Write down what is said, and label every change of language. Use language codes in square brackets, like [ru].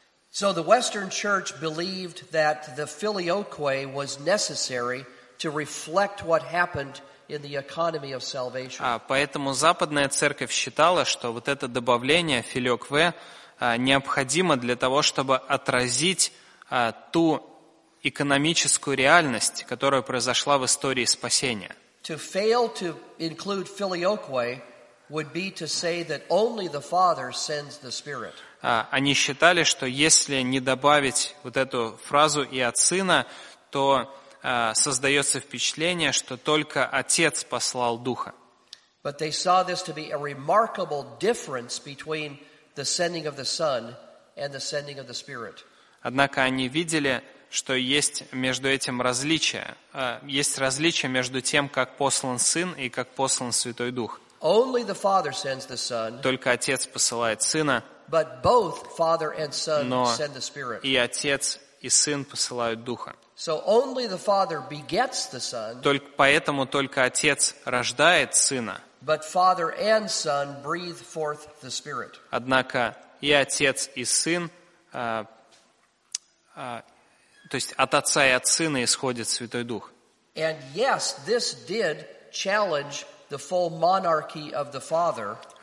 [en] So the Western Church believed that the filioque was necessary to reflect what happened in the economy of salvation. [ru] Поэтому Западная Церковь считала, что вот это добавление филиокве необходимо для того, чтобы отразить ту экономическую реальность, которая произошла в истории спасения. [en] To fail to include filioque would be to say that only the Father sends the Spirit. [ru] Они считали, что если не добавить вот эту фразу «и от Сына», то создается впечатление, что только Отец послал Духа. [en] But they saw this to be a remarkable difference between the sending of the Son and the sending of the Spirit. [ru] Однако они видели, что есть между этим различие, есть различие между тем, как послан Сын и как послан Святой Дух. [en] Only the Father sends the Son. [ru] Только Отец посылает Сына. [en] But both Father and Son send the Spirit. [ru] И Отец, и Сын посылают Духа. [en] So only the Father begets the Son. [ru] Только поэтому только Отец рождает Сына. [en] But Father and Son breathe forth the Spirit. [ru] Однако и Отец, и Сын, то есть от Отца и от Сына исходит Святой Дух. [en] And yes, this did challenge the full monarchy of the Father.